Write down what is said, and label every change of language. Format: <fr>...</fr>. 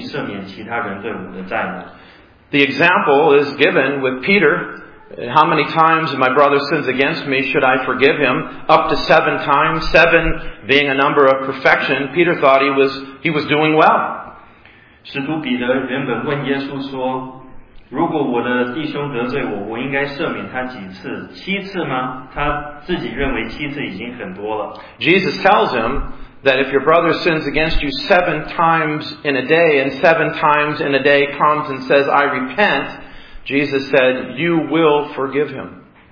<zh>如果耶稣基督赦免了我不能够还清的债，那我为什么不愿意赦免其他人对我的债呢？</zh> <en>The example is given with Peter. How many times my brother sins against me, should I forgive him? Up to 7 times, 7 being a number of perfection. Peter thought he was doing well.</en> <zh>使徒彼得原本问耶稣说， 如果我的弟兄得罪我，我应该赦免他几次？七次吗？他自己认为七次已经很多了。</zh> <en>Jesus tells him that if your brother sins against you 7 times in a day, and 7 times in a day comes and says, "I repent," Jesus said, "You will forgive him."</en>